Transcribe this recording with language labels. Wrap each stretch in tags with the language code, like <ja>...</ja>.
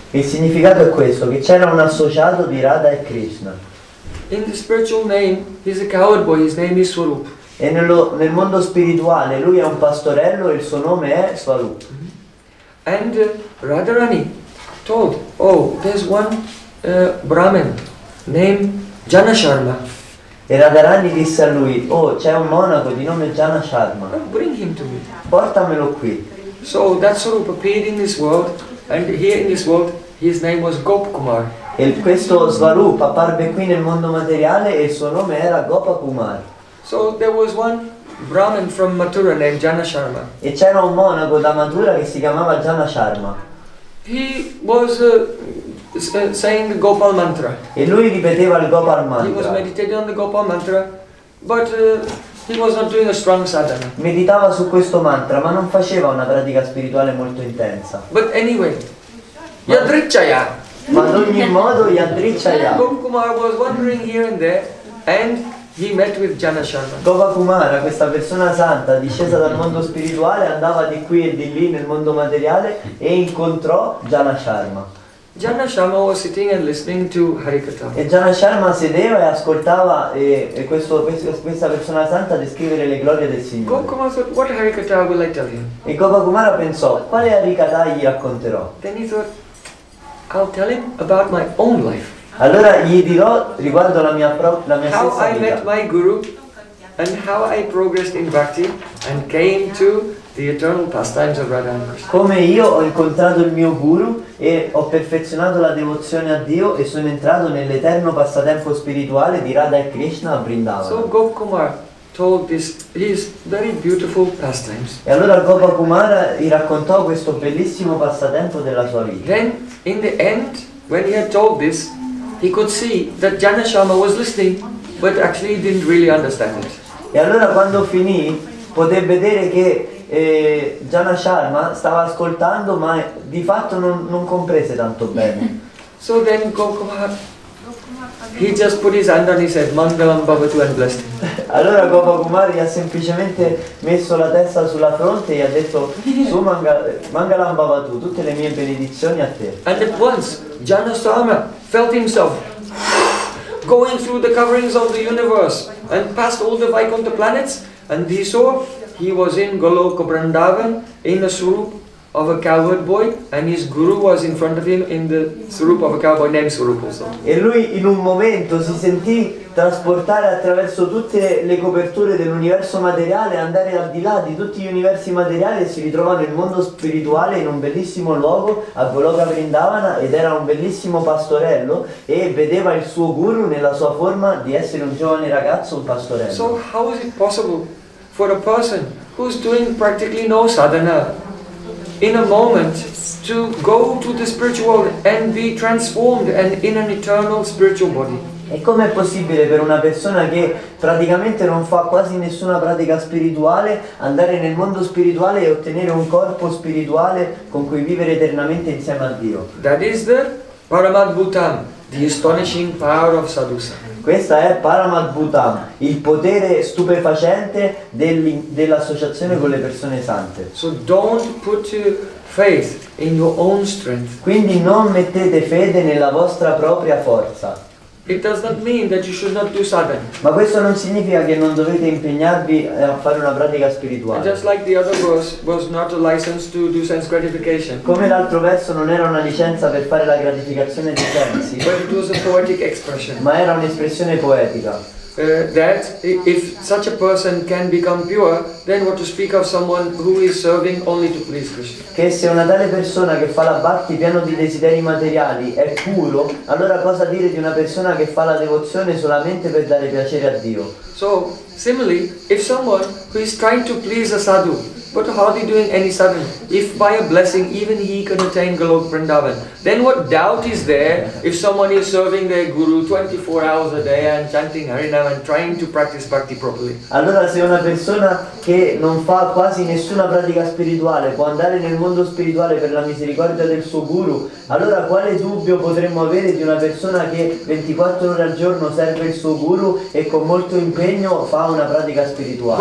<it>Il significato è questo, che c'era un associato di Radha e Krishna.</it> <en>In the spiritual name, he's a coward boy, his name is Swarup.</en> <it>E nel mondo spirituale, lui è un pastorello e il suo nome è Swarup.</it> <en>And Radharani told, oh, there's one Brahmin named Janasharma.</en> <it>E Radharani disse a lui, oh, c'è un monaco di nome Janasharma.</it> <en>Bring him to me.</en> <it>Portamelo qui.</it> <en>So that Swarup appeared in this world. And here in this world, his name was Gop Kumar.</en> <it>E questo Swarup apparve qui nel mondo materiale e il suo nome era Gopakumar.</it> <en>So there was one Brahmin from Mathura named Janasharma.</en> <it>E c'era un monaco da Mathura che si chiamava Janasharma.</it> <en>He was saying the Gopal mantra.</en> <it>E lui ripeteva il Gopal mantra.</it> <en>He was meditating on the Gopal mantra, but he was not doing a strong sadhana.</en> <it>Meditava su questo mantra, ma non faceva una pratica spirituale molto intensa.</it> <en>But anyway, yadrichaya.</en> <it>Ma ad ogni modo yadrichaya.</it> <en>Gopakumara was wandering here and there, and he met with Janasharma.</en> <it>Gopakumara, questa persona santa, discesa dal mondo spirituale, andava di qui e di lì nel mondo materiale e incontrò Janasharma.</it> <en>Janasharma was sitting and listening to Harikatha.</en> <it>E Janasharma sedeva e ascoltava questa persona santa descrivere le glorie del Signore.</it> <en>Gopakumara said, what Harikatha will I tell him?</en> <it>E Gopakumara pensò, quale Harikatha gli racconterò?</it> <en>Then he thought, I'll tell him about my own life.</en> <it>Allora gli dirò riguardo la mia stessa vita.</it> <en>How I met my guru and how I progressed in bhakti and came to the eternal pastimes of Radha and Krishna.</en> <it>Come io ho incontrato il mio guru e ho perfezionato la devozione a Dio e sono entrato nell'eterno passatempo spirituale di Radha e Krishna a Vrindavana.</it> <en>So Gopakumar told this, his very beautiful pastimes.</en> <it>E allora Gopakumara gli raccontò questo bellissimo passatempo della sua vita.</it> <en>Then, in the end, when he had told this, he could see that Janasharma was listening, but actually he didn't really understand it.</en> <it>E allora quando finì, poté vedere che Jana Sharma stava ascoltando, ma di fatto non comprese tanto bene.</it> <en>So then Gokumar, he just put his hand and he said,</en> <sa>Mangalam Bhavatu</sa> <en>and blessed.</en> <it>Allora Gopakumar ha semplicemente messo la testa sulla fronte e ha detto,</it> <sa>Su Mangalam Bhavatu,</sa> <it>tutte le mie benedizioni a te.</it> <en>And at once, Jana Sharma felt himself going through the coverings of the universe and past all the Vaikuntha planets, and he saw he was in Goloka Vrindavan in the swarup of a cowherd boy, and his guru was in front of him in the swarup of a cowboy named Swarup also.</en> <it>E lui in un momento si sentì trasportare attraverso tutte le coperture dell'universo materiale, andare al di là di tutti gli universi materiali, e si ritrovò nel mondo spirituale in un bellissimo luogo a Goloka Vrindavana, ed era un bellissimo pastorello e vedeva il suo guru nella sua forma di essere un giovane ragazzo, un pastorello.</it> <en>So how is it possible for a person who's doing practically no sadhana in a moment to go to the spiritual world and be transformed and in an eternal spiritual body?</en> <it>E com'è possibile per una persona che praticamente non fa quasi nessuna pratica spirituale andare nel mondo spirituale e ottenere un corpo spirituale con cui vivere eternamente insieme a Dio?</it> <en>That is the Paramadbhutam, the astonishing power of sadhusa.</en> <it>Questa è Paramadbhutam, il potere stupefacente dell'associazione con le persone sante.</it> <en>So don't put faith in your own strength.</en> <it>Quindi non mettete fede nella vostra propria forza.</it> <en>It does not mean that you should not do sadhana.</en> <it>Ma questo non significa che non dovete impegnarvi a fare una pratica spirituale.</it> <en>Just like the other verse was not a license to do sense gratification.</en> <it>Come l'altro verso non era una licenza per fare la gratificazione dei sensi.</it> <en>But it was a poetic expression.</en> <it>Ma era un'espressione poetica.</it> <en>That if such a person can become pure, then what to speak of someone who is serving only to please Krishna?</en> <it>Che se una tale persona che fa la bhakti pieno di desideri materiali è puro, allora cosa dire di una persona che fa la devozione solamente per dare piacere a Dio?</it> <en>So similarly, if someone who is trying to please a sadhu but hardly doing any sadhana, if by a blessing even he can attain Goloka Vrindavan, then what doubt is there if someone is serving their guru 24 hours a day and chanting Harinam and trying to practice bhakti properly?</en> <it>Allora se una persona che non fa quasi nessuna pratica spirituale può andare nel mondo spirituale per la misericordia del suo guru, allora quale dubbio potremmo avere di una persona che 24 ore al giorno serve il suo guru e con molto impegno fa una pratica spirituale?</it>